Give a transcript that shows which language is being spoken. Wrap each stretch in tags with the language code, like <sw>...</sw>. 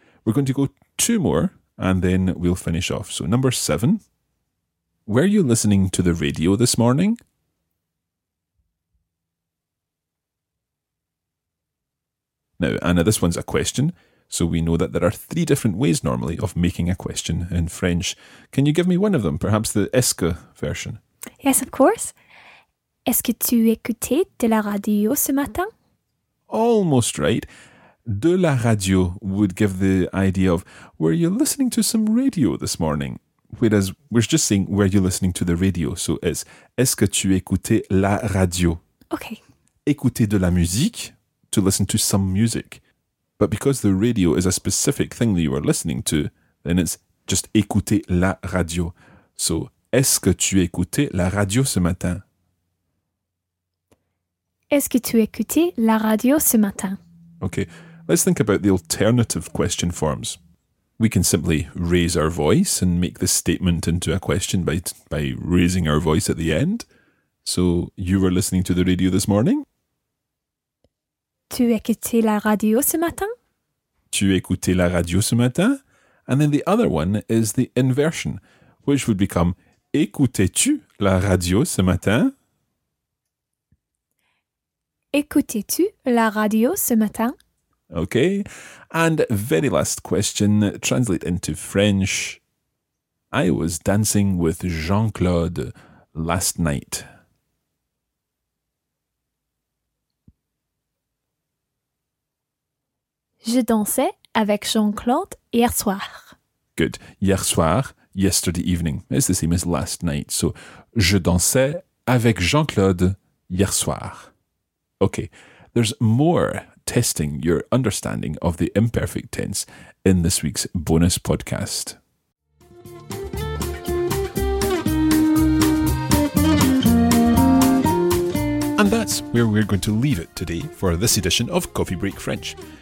<en>We're going to go two more, and then we'll finish off. So number 7, were you listening to the radio this morning? Now, Anna, this one's a question. So we know that there are three different ways normally of making a question in French. Can you give me one of them? Perhaps the est-ce que version? Yes, of course.</en> <fr>Est-ce que tu écoutais de la radio ce matin?</fr> <en>Almost right.</en> <fr>De la radio</fr> <en>would give the idea of, were you listening to some radio this morning? Whereas we're just saying, were you listening to the radio? So it's,</en> <fr>est-ce que tu écoutais la radio?</fr> <en>Okay.</en> <fr>Écouter de la musique,</fr> <en>to listen to some music. But because the radio is a specific thing that you are listening to, then it's just</en> <fr>écouter la radio. So, est-ce que tu écoutais la radio ce matin? Est-ce que tu écoutais la radio ce matin?</fr> <en>Okay, let's think about the alternative question forms. We can simply raise our voice and make the statement into a question by raising our voice at the end. So, you were listening to the radio this morning?</en> <fr>Tu écoutais la radio ce matin? Tu écoutais la radio ce matin?</fr> <en>And then the other one is the inversion, which would become</en> <fr>écoutais-tu la radio ce matin? Écoutais-tu la radio ce matin?</fr> <en>Okay. And very last question, translate into French. I was dancing with Jean-Claude last night.</en> <fr>Je dansais avec Jean-Claude hier soir.</fr> <en>Good.</en> <fr>Hier soir,</fr> <en>yesterday evening. It's the same as last night.</en> <fr>So, je dansais avec Jean-Claude hier soir.</fr> <en>Okay. There's more testing your understanding of the imperfect tense in this week's bonus podcast. And that's where we're going to leave it today for this edition of Coffee Break French.</en>